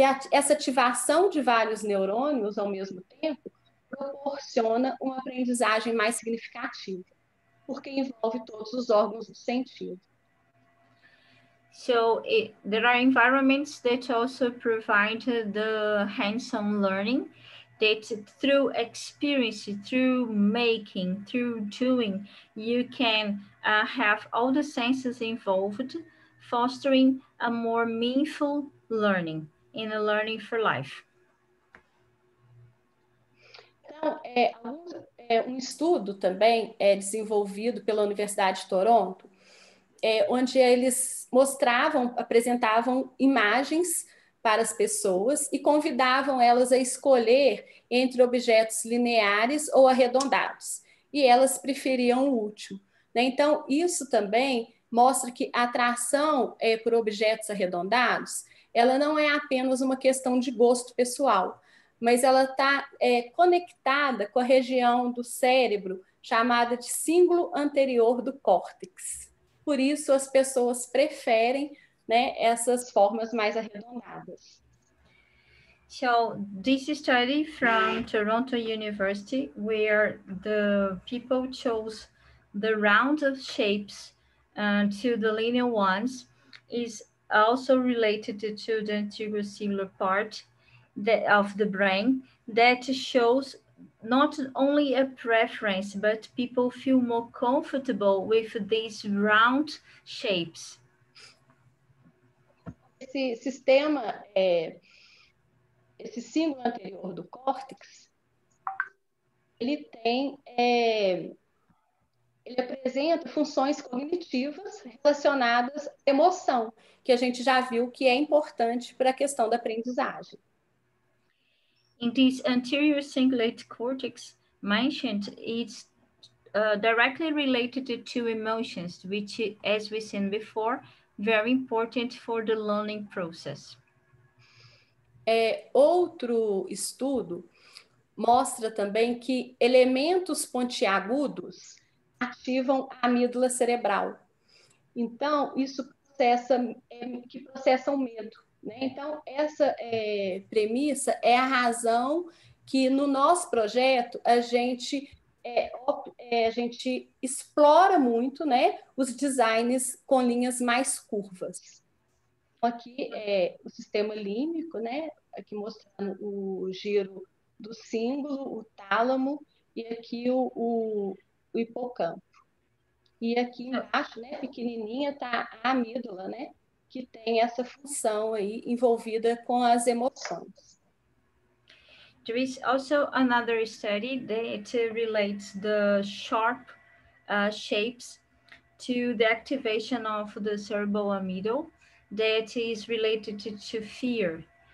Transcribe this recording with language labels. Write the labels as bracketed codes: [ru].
[pt] Essa ativação de vários neurônios ao mesmo tempo proporciona uma aprendizagem mais significativa, porque envolve todos os órgãos do sentido. [en] So there are environments that also provide the hands-on learning that through experience, through making, through doing, you can have all the senses involved, fostering a more meaningful learning in a learning for life. [pt] Então, um estudo também é desenvolvido pela Universidade de Toronto, onde eles mostravam, apresentavam imagens para as pessoas e convidavam elas a escolher entre objetos lineares ou arredondados. E elas preferiam o último. Né? Então, isso também mostra que a atração por objetos arredondados, ela não é apenas uma questão de gosto pessoal, mas ela está conectada com a região do cérebro chamada de cíngulo anterior do córtex. Por isso, as pessoas preferem, né, essas formas mais arredondadas. [en] So, this study from Toronto University, where the people chose the round of shapes to the linear ones, is also related to the anterior cingulate part of the brain that shows not only a preference, but people feel more comfortable with these round shapes. [pt] Esse sistema, esse cíngulo anterior do córtex, ele tem, ele apresenta funções cognitivas relacionadas à emoção, que a gente já viu que é importante para a questão da aprendizagem. [en] In this anterior cingulate cortex mentioned, it's directly related to emotions, which, as we've seen before, very important for the learning process. [pt] Outro estudo mostra também que elementos pontiagudos ativam a amígdala cerebral. Então, isso processa, que processa o medo. Então, essa premissa é a razão que no nosso projeto a gente explora muito, né, os designs com linhas mais curvas. Aqui é o sistema límbico, né, aqui mostrando o giro do cíngulo, o tálamo e aqui o hipocampo. E aqui embaixo, né, pequenininha, está a amígdala, né, que tem essa função aí envolvida com as emoções. [en] There is also another study that relates the sharp shapes to the activation of the cerebral amygdala that is related to fear.